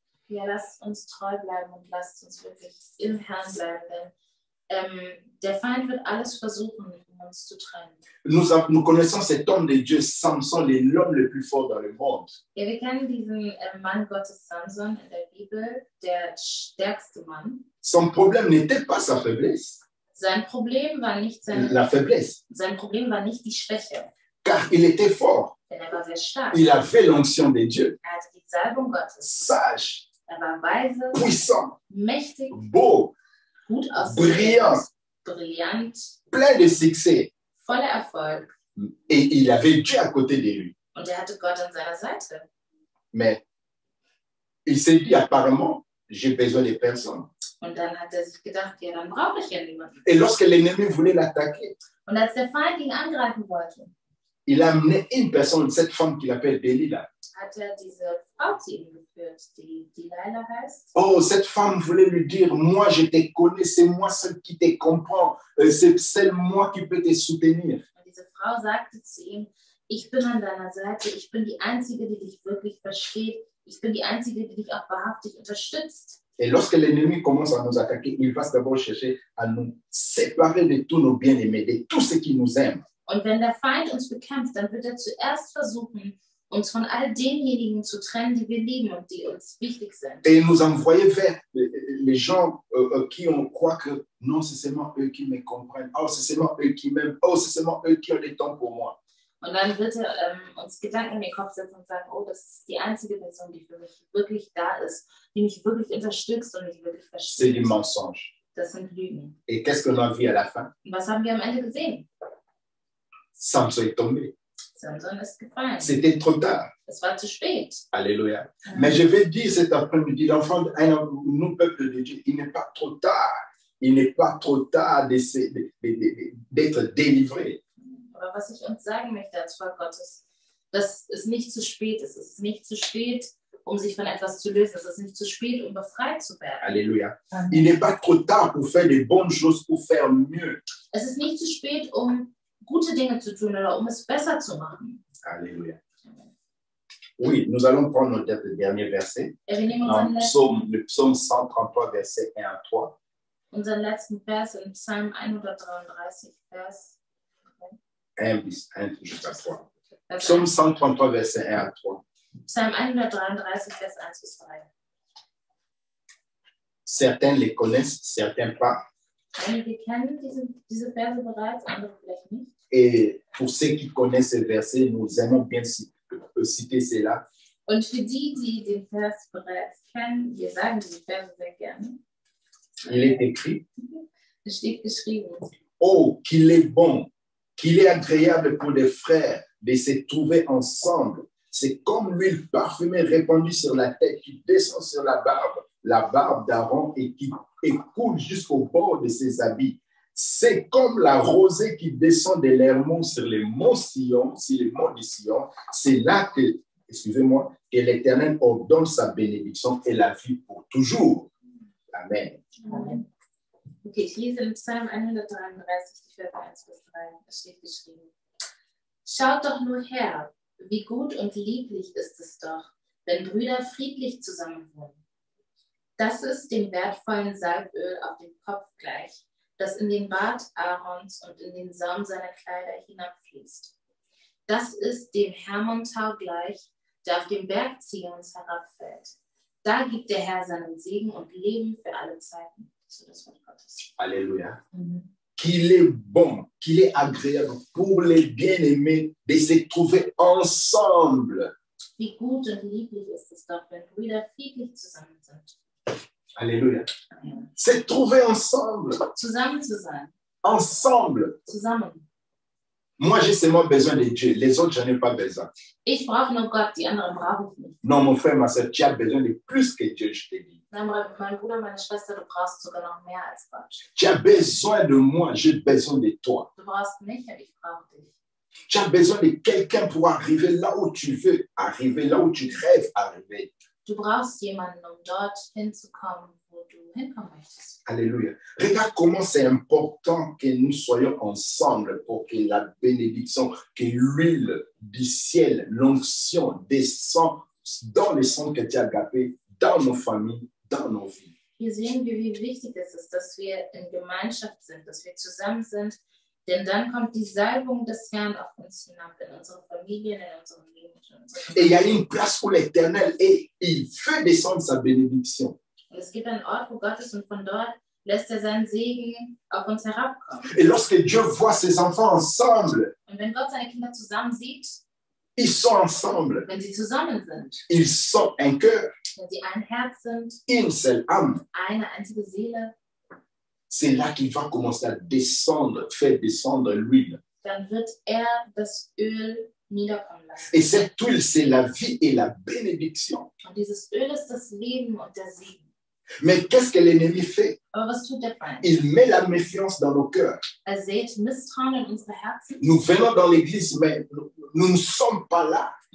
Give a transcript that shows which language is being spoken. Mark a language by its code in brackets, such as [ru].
[de] Ja, lasst uns treu bleiben und lasst uns wirklich im Herrn bleiben, denn der Feind wird alles versuchen, um uns zu trennen. [fr] Nous connaissons cet homme de Dieu, Samson, l'homme le plus fort dans le monde. [de] Ja, wir kennen diesen Mann Gottes Samson in der Bibel, der stärkste Mann. [fr] Son problème n'était pas sa faiblesse. [de] Sein Problem war nicht [fr] la faiblesse. [de] Sein Problem war nicht die Schwäche. [fr] Car il était fort. Il avait l'onction de Dieu. Sage. [de] Er war weise, [fr] puissant. [de] Mächtig, [fr] beau. [de] Gut [fr] brillant. [de] Brillant. [fr] Plein de succès. [de] Voller Erfolg. [fr] Et il avait Dieu à côté de lui. [de] Und hatte Gott an seiner Seite. [fr] Mais Il s'est dit apparemment, j'ai besoin de personne. [de] Und dann hat er sich gedacht, ja, dann brauche ich ja niemanden. [fr] Et lorsque l'ennemi voulait l'attaquer, [de] und als der Feind ihn angreifen wollte, [fr] il a amené une personne, cette femme qu'il appelle Delilah. [de] Hat er diese Frau zu ihm geführt, die Delilah heißt? [fr] Oh, cette femme voulait lui dire, moi je te connais, c'est moi seul qui te comprend, c'est seul moi qui peux te soutenir. [de] Und diese Frau sagte zu ihm, ich bin an deiner Seite, ich bin die Einzige, die dich wirklich versteht, ich bin die Einzige, die dich auch wahrhaftig unterstützt. [fr] Et lorsque l'ennemi commence à nous attaquer, il va d'abord chercher à nous séparer de tous nos bien-aimés, de tous ceux qui nous aiment. [de] Und wenn der Feind uns bekämpft, dann wird zuerst versuchen, uns von all denjenigen zu trennen, die wir lieben und die uns wichtig sind. [fr] Et nous envoyer vers les gens qui ont quoi que non, c'est seulement eux qui me comprennent. Oh, c'est seulement eux qui m'aiment. Oh, c'est seulement eux qui ont le temps pour moi. [de] Und dann wird uns Gedanken in den Kopf setzen und sagen, oh, das ist die einzige Person, die für mich wirklich da ist, die mich wirklich unterstützt und mich wirklich versteht. [fr] C'est du mensonge. [de] Das sind Lügen. [fr] Et qu'est-ce qu'on a vu à la fin? [de] Was haben wir am Ende gesehen? [fr] Samson est tombé. [de] Samson ist gefallen. [fr] C'était trop tard. [de] Es war zu spät. Alléluia. Mm-hmm. [fr] Mais je vais dire cet après-midi, l'enfant d'un nous peuple de Dieu, il n'est pas trop tard. Il n'est pas trop tard d'être délivré. [de] Aber was ich uns sagen möchte als Volk Gottes, dass es nicht zu spät ist. Es ist nicht zu spät, um sich von etwas zu lösen. Es ist nicht zu spät, um befreit zu werden. Alléluia. [fr] Mm-hmm. Il n'est pas trop tard pour faire les bonnes choses, pour faire mieux. [de] Es ist nicht zu spät, um gute Dinge zu tun oder um es besser zu machen. Alléluia. [fr] Oui, nous allons prendre notre dernier verset. Le psaume 133, verset 1 à 3. [de] Unser letzten Vers im Psalm 133, Vers 1 bis 1 [fr] jusqu'à 3. Psaume 133, verset 1 à 3. [de] Psalm 133, Vers 1 bis 3. [fr] Certains les connaissent, certains pas. [de] Einige kennen diese Verse bereits, andere vielleicht nicht. [fr] Et pour ceux qui connaissent ce verset, nous aimons bien citer cela. [de] Und für die, die den Vers bereits kennen, wir sagen diesen Vers sehr gerne. [fr] Il est écrit. [de] Es steht geschrieben. [fr] Oh, qu'il est bon, qu'il est agréable pour des frères de se trouver ensemble. C'est comme l'huile parfumée répandue sur la tête qui descend sur la barbe d'Aaron et qui coule jusqu'au bord de ses habits. C'est comme la rosée qui descend de l'hermon sur les monts Sion, sur les monts de Sion. C'est là que, excusez-moi, que l'Éternel ordonne sa bénédiction et la vie pour toujours. Amen. Amen. [de] Okay, ich lese im Psalm 133, die Verse 1 bis 3. Es steht geschrieben: Schaut doch nur her, wie gut und lieblich ist es doch, wenn Brüder friedlich zusammen wohnen. Das ist dem wertvollen Salböl auf dem Kopf gleich, das in den Bart Aarons und in den Saum seiner Kleider hinabfließt. Das ist dem Hermontau gleich, der auf dem Berg Zions herabfällt. Da gibt der Herr seinen Segen und Leben für alle Zeiten. So das Wort Gottes. Alléluia. [fr] Qu'il est bon, qu'il est agréable pour les bien-aimés de se trouver ensemble. [de] Wie gut und lieblich ist es doch, wenn Brüder friedlich zusammen sind. [fr] Alléluia. C'est trouver ensemble. [de] Zusammen zu sein. [fr] Ensemble. [de] Zusammen. [fr] Moi, j'ai seulement besoin de Dieu. Les autres, j'en ai pas besoin. [de] Ich brauche nur Gott, die anderen brauche ich nicht. [fr] Non, mon frère, ma soeur, tu as besoin de plus que Dieu, je te dis. [de] Nein, mein Bruder, meine Schwester, du brauchst sogar noch mehr als Gott. [fr] Tu as besoin de moi, j'ai besoin de toi. [de] Du brauchst mich, ich brauche dich. [fr] Tu as besoin de quelqu'un pour arriver là où tu veux, arriver là où tu rêves arriver. [de] Du brauchst jemanden, dort hinzukommen, wo du hinkommen möchtest. Alléluia. [fr] Regarde comment c'est important que nous soyons ensemble pour que la bénédiction, que l'huile du ciel, l'onction descend dans les centres que tu as gâtés, dans nos familles, dans nos vies. [de] Hier sehen wir, wie wichtig es ist, dass wir in Gemeinschaft sind, dass wir zusammen sind, denn dann kommt die Salbung des Herrn auf uns hinab, in unsere Familien, in unsere [fr] Et il y a une place où l'Éternel est, il fait descendre sa bénédiction. [de] Es gibt einen Ort, wo Gott ist, und von dort lässt seinen Segen auf uns herabkommen. [fr] Et lorsque Dieu voit ses enfants ensemble, [de] und wenn Gott seine Kinder zusammen sieht, [fr] ils sont ensemble. [de] Wenn sie zusammen sind, [fr] ils sont un cœur. [de] Wenn sie ein Herz sind, [fr] une seule âme. [de] Eine einzige Seele. [fr] C'est là qu'il va commencer à descendre, faire descendre l'huile. [de] Dann wird das Öl niederkommen lassen. [fr] Et cet huile, c'est la vie et la bénédiction. [de] Und dieses Öl ist das Leben und der Segen. [fr] Mais qu'est-ce que l'ennemi fait? Il met la méfiance dans nos cœurs. Nous venons dans l'église, mais nous ne sommes pas là.